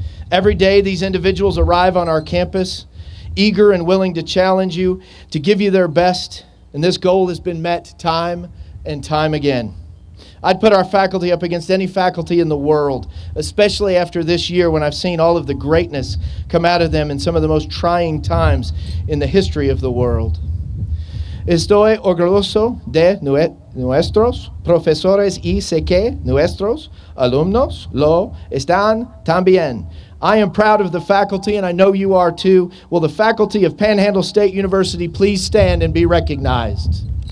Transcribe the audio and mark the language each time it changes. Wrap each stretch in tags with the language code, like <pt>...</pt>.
<en>Every day, these individuals arrive on our campus, eager and willing to challenge you, to give you their best, and this goal has been met time and time again. I'd put our faculty up against any faculty in the world, especially after this year when I've seen all of the greatness come out of them in some of the most trying times in the history of the world.</en> <es>Estoy orgulloso de nuestros profesores y sé que nuestros alumnos lo están también.</es> <en>I am proud of the faculty, and I know you are too. Will the faculty of Panhandle State University please stand and be recognized?</en>